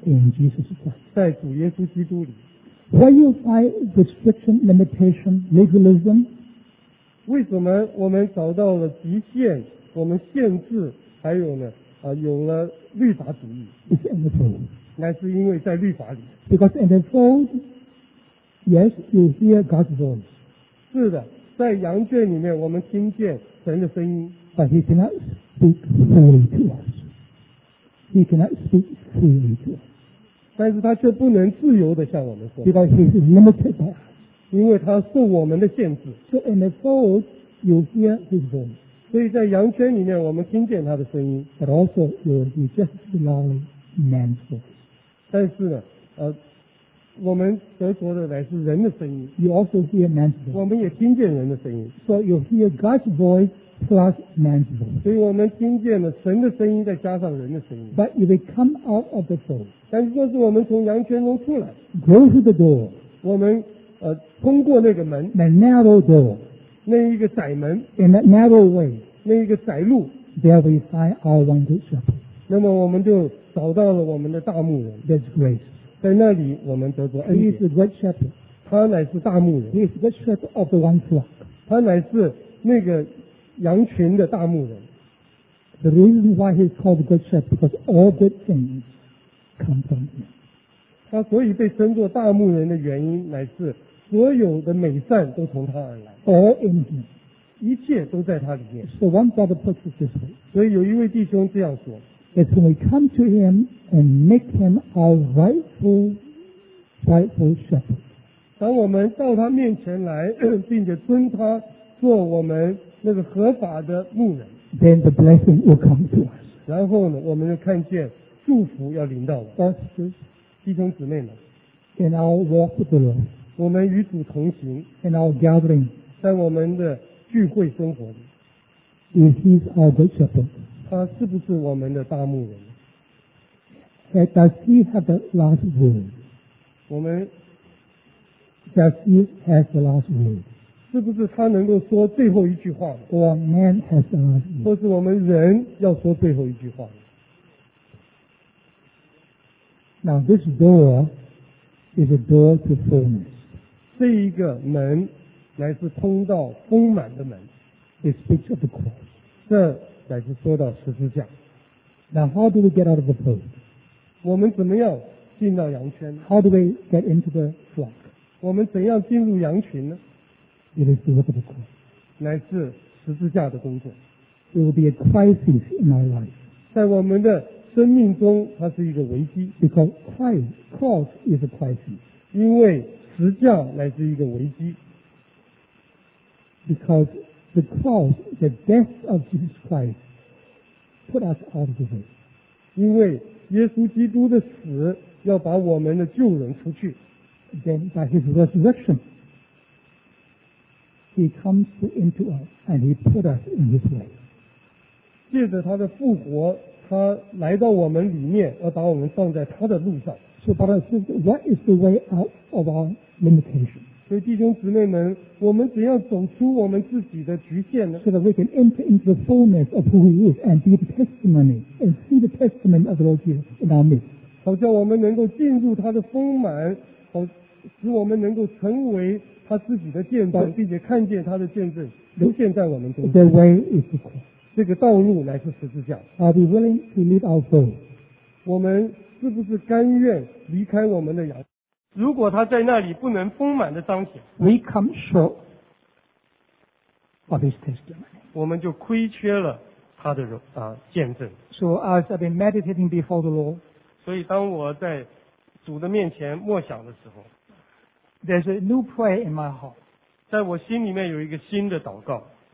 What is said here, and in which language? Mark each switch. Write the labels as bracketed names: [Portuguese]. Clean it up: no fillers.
[English] ？In Jesus Christ. [Chinese] 在主耶稣基督里。 [English] Why you find restriction, limitation, legalism? [Chinese] 为什么我们找到了极限，我们限制，还有呢，有了律法主义 [English] ？It's in the fold. [Chinese] 那是因为在律法里。 [English] Because in the fold, yes, you hear God's voice. [Chinese] 是的，在羊圈里面，我们听见神的声音。 [English] But He cannot speak freely to us. He cannot speak freely to us. [Chinese] 但是他却不能自由地向我们说 [English] Because he is limited by us. [Chinese] 因为他受我们的限制 [English] So in the fold, you hear his voice. [Chinese] 所以在羊圈里面我们听见他的声音 [English] But also you hear just belonging man's voice. [Chinese] 但是呢我们得着的乃是人的声音 [English] You also hear man's voice. [Chinese] 我们也听见人的声音 [English] So you hear God's voice plus man's voice. [Chinese] 所以我们听见了神的声音再加上人的声音 [English] But if we come out of the fold, [Chinese] 但是若是我们从羊圈中出来 [English] ，go through the door， [Chinese] 我们通过那个门 [English] ，the narrow door， [Chinese] 那一个窄门 [English] ，in that narrow way， [Chinese] 那一个窄路 [English] ，there we find our one good shepherd。 [Chinese] 那么我们就找到了我们的大牧人 [English] ，that's grace。 [Chinese] 在那里我们得着恩典 [English] ，he is the good shepherd， [Chinese] 他乃是大牧人 [English] ，he is the shepherd of the one flock， [Chinese] 他乃是那个羊群的大牧人。 [English] The reason why he is called the good shepherd because all good things。 Come from him. [Chinese] 他所以被称作大牧人的原因乃是所有的美善都从他而来 [English] All in him. [Chinese] 一切都在他里面 [English] So one brother puts it this way. [Chinese] 所以有一位弟兄这样说 [English] It's when we come to him and make him our rightful shepherd. [Chinese] 当我们到他面前来并且尊他做我们那个合法的牧人 [English] Then the blessing will come to us. [Chinese] 然后呢我们就看见祝福要临到了 [English] Sisters, [Chinese] 弟兄姊妹们 [English] In our walk with the Lord [Chinese] 我们与主同行 [English] In our gathering [Chinese] 在我们的聚会生活里 [English] Is he our good shepherd? [Chinese] 他是不是我们的大牧人 [English] Does he have the last word? [Chinese] 我们 [English] Does he have the last word? [Chinese] 是不是他能够说最后一句话 [English] Or man has the last word [Chinese] 或是我们人要说最后一句话 [English] Now this door is a door to fullness. [Chinese] 这一个门乃是通到丰满的门。 [English] It speaks of the cross. [Chinese] 这乃是说到十字架。 [English] Now, how do we get out of the fold? [Chinese] 我们怎么样进到羊圈？ [English] How do we get into the flock? [Chinese] 我们怎样进入羊群呢？ [English] It is the work of the cross. [Chinese] 乃是十字架的工作。 [English] It will be a crisis in our life. [Chinese] 在我们的生命中，它是一个危机。 [English] Because cross is a crisis. [Chinese] 因为十字架乃是一个危机。 [English] Because the cross, the death of Jesus Christ, put us out of the way. [Chinese] 因为耶稣基督的死要把我们的旧人除去。 [English] Then by his resurrection, he comes into us and he put us in his way. [Chinese] 借着他的复活，他来到我们里面，而把我们放在他的路上。 [English] So, what is the way out of our limitation? [Chinese] 所以弟兄姊妹们，我们怎样走出我们自己的局限呢？ [English] So that we can enter into the fullness of who he is and be the testimony and see the testimony of the Lord Jesus in our midst. [Chinese] 好叫我们能够进入他的丰满，好使我们能够成为他自己的见证，并且看见他的见证出现在我们中间。 [English] The way is the cross. [Chinese] 这个道路乃是十字架。 [English] Are we willing to leave our fold? [Chinese] 我们是不是甘愿离开我们的羊？如果他在那里不能丰满的彰显， [English] We come short of his testimony. [Chinese] 我们就亏缺了他的见证。 [English] So as I've been meditating before the Lord, [Chinese] 所以当我在主的面前默想的时候， [English] There's a new prayer in my heart. [Chinese] 在我心里面有一个新的祷告。